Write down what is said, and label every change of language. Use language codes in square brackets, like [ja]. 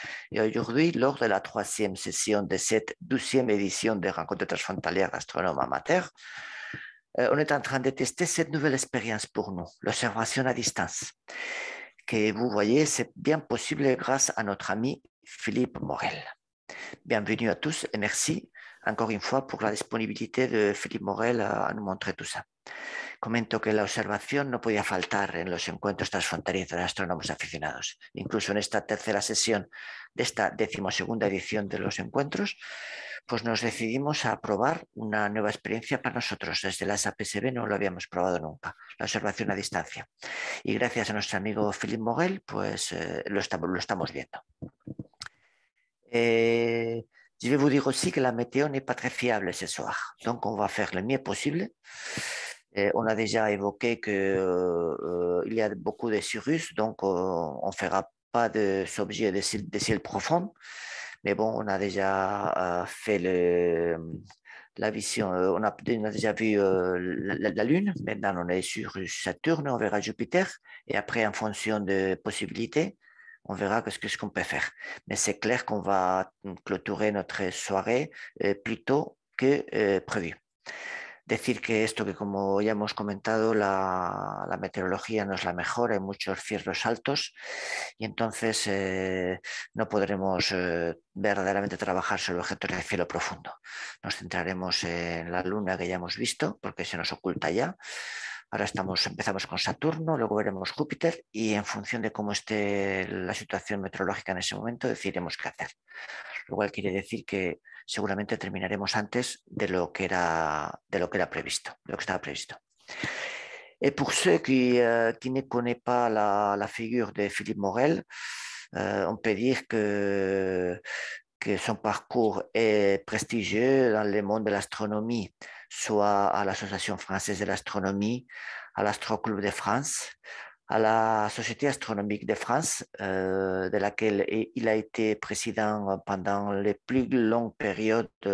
[fr] Et aujourd'hui, lors de la troisième session de cette 12e édition de rencontres transfrontalières d'astronomes amateurs, on est en train de tester cette nouvelle expérience pour nous, l'observation à distance, que vous voyez, c'est bien possible grâce à notre ami Philippe Morel. Bienvenue à tous et merci encore une fois pour la disponibilité de Philippe Morel à nous montrer tout ça. [es] Comento que la observación no podía faltar en los encuentros transfronterizos de astrónomos aficionados. Incluso en esta tercera sesión de esta 12ª edición de los encuentros, pues nos decidimos a probar una nueva experiencia para nosotros. Desde la SAPSB no lo habíamos probado nunca, la observación a distancia. Y gracias a nuestro amigo Philippe Morel, pues lo estamos viendo. [fr] Je vais vous dire aussi que la météo n'est pas très fiable ce soir. Donc on va faire le mieux possible. On a déjà évoqué qu'il y a beaucoup de cirrus, donc on ne fera pas de objet de ciel profond. Mais bon, on a déjà fait la vision, on a déjà vu la Lune. Maintenant, on est sur Saturne, on verra Jupiter. Et après, en fonction des possibilités, on verra ce qu'on peut faire. Mais c'est clair qu'on va clôturer notre soirée plus tôt que prévu. [es] Decir que esto, que como ya hemos comentado, la meteorología no es la mejor, hay muchos cielos altos y entonces no podremos verdaderamente trabajar sobre objetos de cielo profundo. Nos centraremos en la Luna que ya hemos visto porque se nos oculta ya. Ahora empezamos con Saturno, luego veremos Júpiter y en función de cómo esté la situación meteorológica en ese momento decidiremos qué hacer. Lo cual quiere decir que seguramente terminaremos antes de lo que era previsto, de lo que estaba previsto. [fr] Y pour ceux qui ne connaît pas la figure de Philippe Morel, on peut dire que son parcours est prestigieux dans le monde de l'astronomie, soit à l'Association française de l'astronomie, à l'Astroclub de France, à la Société astronomique de France, de laquelle il a été président pendant les plus longues périodes.